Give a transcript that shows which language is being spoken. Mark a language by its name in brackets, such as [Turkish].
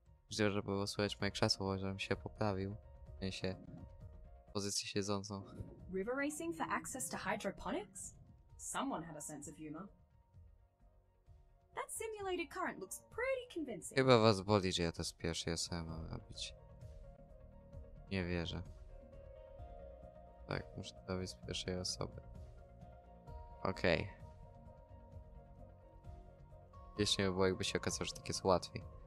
[Polish] Myślę, żeby było słychać moje krzesło, żebym się poprawił. W sensie... pozycję siedzącą. [English] River racing for access to hydroponics? Someone had a sense of humor. That simulated current looks pretty convincing. [Polish] Chyba was boli, że ja to z pierwszej osoby mam robić. Nie wierzę. Tak, muszę to robić z pierwszej osoby. Okej. Okay. Jeszcze nie było, jakby się okazało, że tak jest łatwiej.